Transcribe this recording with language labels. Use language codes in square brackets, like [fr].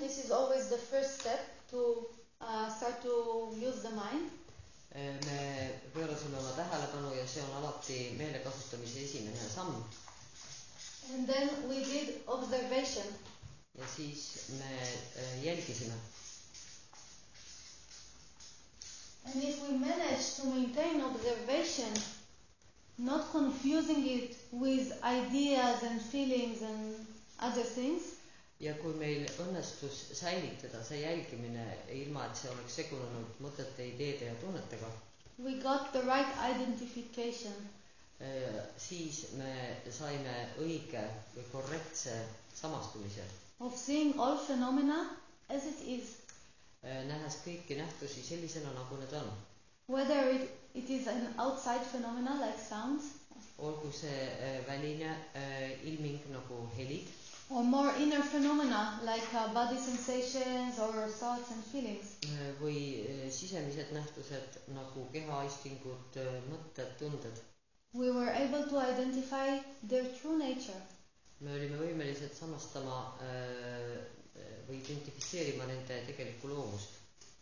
[en] This is always the first step to start to use the mind. [et] Me pöörasime oma tähelepanu ja see on alati meelekasutamise esimene samm. [en] And then we did observation. [et] Ja siis me jälgisime. [en] And if we manage to maintain observation, not confusing it with ideas and feelings and other things. [et] Ja kui meil õnnestus säilitada see jälgimine ilma, et see oleks segunenud mõtete, ideede ja tunnetega, [en] we got the right identification. [et] Siis me saime õige või korrektse samastumise. [en] Of seeing all phenomena as it is. [et] Nähes kõiki nähtusi sellisena, nagu need on. [en] Whether it is an outside phenomena like sounds. [et] Olgu see väline ilming nagu helid. [en] Or more inner phenomena like body sensations or thoughts and feelings. [et] Või sisemised nähtused nagu kehaaistingud, mõtted, tunded. [en] We were able to identify their true nature. [et] Me olime võimelised samastama või identifiseerima nende tegeliku loomust.